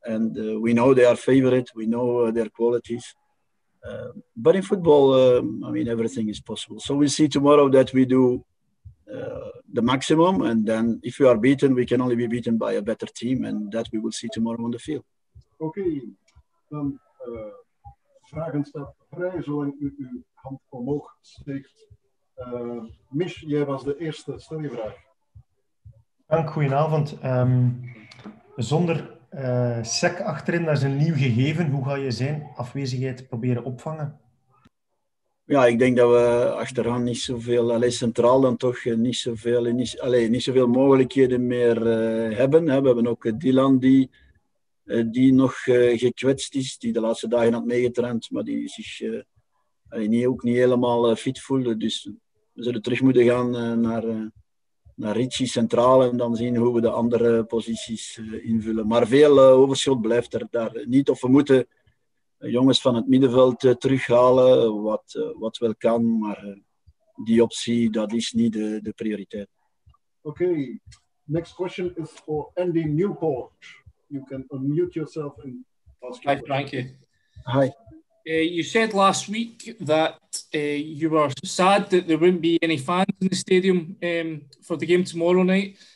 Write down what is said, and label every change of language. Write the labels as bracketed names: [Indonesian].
[English] And we know they are favorite, we know their qualities. But in football, I mean, everything is possible. So we'll see tomorrow that we do the maximum. And then if we are beaten, we can only be beaten by a better team. And that we will see tomorrow on the field. Okay. [Dutch] Dan vragen staat vrij, zolang u uw hand omhoog steekt. Mich, jij was de eerste. Stel je vraag. Dank, goedenavond. Zonder SEC achterin, dat is een nieuw gegeven. Hoe ga je zijn afwezigheid proberen opvangen? Ja, ik denk dat we achteraan niet zoveel, alleen centraal dan toch, niet zoveel mogelijkheden meer hebben. We hebben ook Dylan die nog gekwetst is, die de laatste dagen had meegetraind, maar die zich ook niet helemaal fit voelde. Dus we zullen terug moeten gaan naar Richie centraal en dan zien hoe we de andere posities invullen. Maar veel overschot blijft er daar niet. Of we moeten jongens van het middenveld terughalen, wat wel kan. Maar die optie, dat is niet de prioriteit. Oké, [English] next question is for Andy Newport. You can unmute yourself and ask. Hi, Frank. Hi. You said last week that you were sad that there wouldn't be any fans in the stadium for the game tomorrow night.